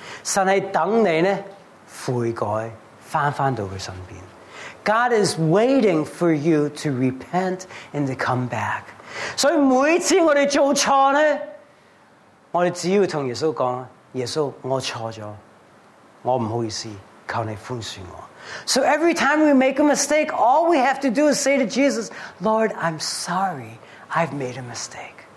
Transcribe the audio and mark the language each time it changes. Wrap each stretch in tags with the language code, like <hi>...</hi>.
<zh>神是等你悔改,回到祂身边。</zh> <en>God is waiting for you to repent and to come back.</en> <zh>所以每次我们做错呢, 我们只要跟耶稣说,耶稣,我错了,我不好意思,求你宽恕我。</zh> <en>So every time we make a mistake, all we have to do is say to Jesus, Lord, I'm sorry, I've made a mistake.</en>